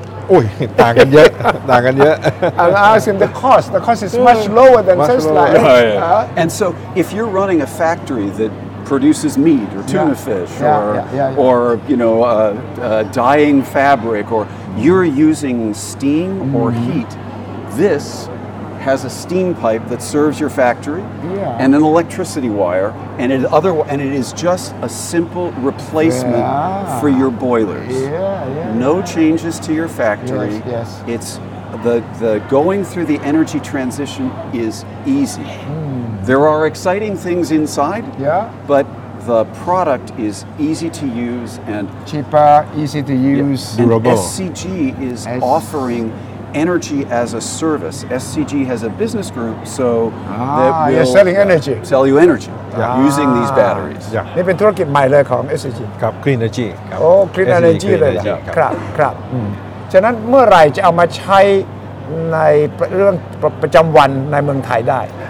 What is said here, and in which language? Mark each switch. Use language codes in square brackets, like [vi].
[th] โอ้ยต่างกันเยอะต่างกันเยอะ [en] I'm asking the cost is much lower than Tesla and so if you're running a factory thatproduces meat or tuna fish or you know dyeing fabric or you're using steam or heat this has a steam pipe that serves your factory and an electricity wire and it is just a simple replacement for your boilers no changes to your factory yes. it's the going through the energy transition is easy There are exciting things inside, but the product is easy to use and cheaper, easy to use. Durable. SCG is offering energy as a service. SCG has a business group, so that will you're selling energy. Sell you energy using these batteries. Yeah, [th] นี่เป็นธุรกิจใหม่เลยของ SCG. ครับ Clean Energy. โอ้ Clean Energy เลยครับครับฉะนั้นเมื่อไรจะเอามาใช้ในเรื่องประจำวันในเมืองไทยได้